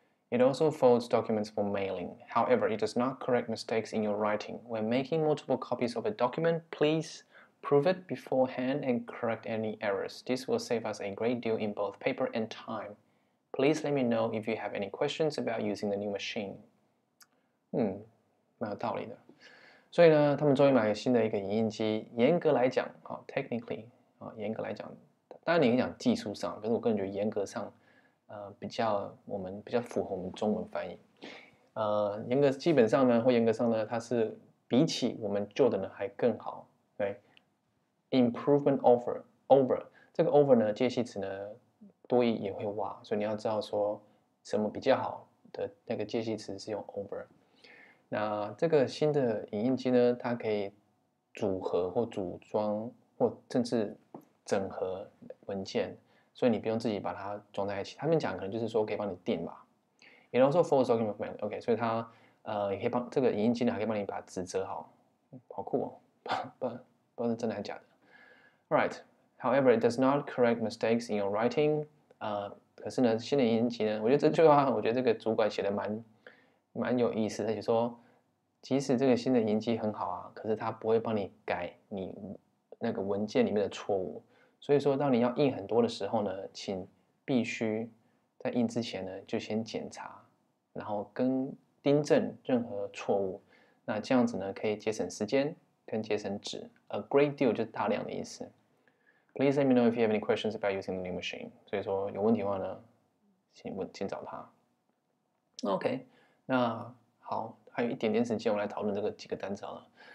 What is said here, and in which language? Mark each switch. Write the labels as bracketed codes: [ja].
[en] It also folds documents for mailing. However, it does not correct mistakes in your writing. When making multiple copies of a document, please prove it beforehand and correct any errors. This will save us a great deal in both paper and time. Please let me know if you have any questions about using the new machine. [zh] 蛮有道理的。所以呢，他们终于买了新的一个影印机。严格来讲，哦， [en] technically， [zh] 哦，严格来讲，当然你讲技术上，可是我个人觉得严格上，比较符合我们中文翻译。严格基本上呢，或严格上呢，它是比起我们旧的呢还更好。对 ， [en] improvement over [zh] 这个 over 呢介系词呢多义也会哇，所以你要知道说什么比较好的那个介系词是用 over。那这个新的影印机呢，它可以组合或组装或甚至整合文件，所以你不用自己把它装在一起。他们讲可能就是说可以帮你订吧。 [en] It also folds documents mail. [zh] OK， 所以它也可以帮这个影印机呢，还可以帮你把纸折好，好酷哦！不知道是真的还是假的。 [en] Right. However, it does not correct mistakes in your writing. [zh] 可是呢，新的影印机呢，我觉得这句话，我觉得这个主管写的蛮有意思的，就说即使这个新的影印机很好啊，可是它不会帮你改你那个文件里面的错误。所以说，当你要印很多的时候呢，请必须在印之前呢就先检查，然后跟订正任何错误。那这样子呢，可以节省时间跟节省纸。 [en] A great deal [zh] 就是大量的意思。 [en] Please let me know if you have any questions about using the new machine. [zh] 所以说有问题的话呢，请找他。 OK。那好，还有一点点时间，我们来讨论这个几个单词好了。